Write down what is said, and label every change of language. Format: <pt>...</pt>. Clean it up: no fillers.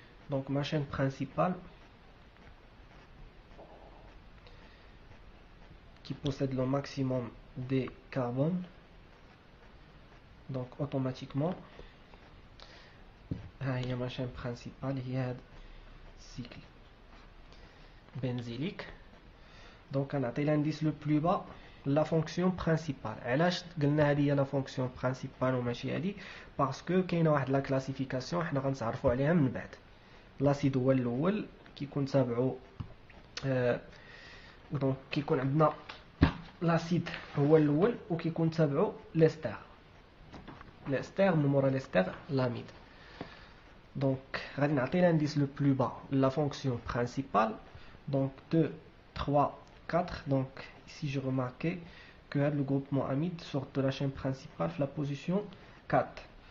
<fr>Donc ma chaîne principale qui possède le maximum des carbones, donc automatiquement il y a ma chaîne principale, il y a cycle benzylique. Donc on a l'indice le plus bas, la fonction principale.</fr> <ar>علاش قلنا هذه هي</ar> <fr>la fonction principale</fr> <ar>وماشي هذه؟</ar> <fr>Parce que</fr> <ar>كاينه واحد</ar> <fr>la classification</fr> <ar>احنا غنتعرفوا عليها من بعد. L'acide هو الاول كيكون تابعو</ar> <fr>donc</fr> <ar>كيكون عندنا l'acide هو الاول وكيكون تابعو l'ester.</ar> <fr>L'ester</fr> <ar>من مورا</ar> <fr>l'ester l'amide. Donc</fr> <ar>غادي نعطي</ar> <fr>l'indice le plus bas, la fonction principale. Donc 2, 3, 4. Donc ici je remarquais que le groupement amide sort de la chaîne principale la position 4.</fr>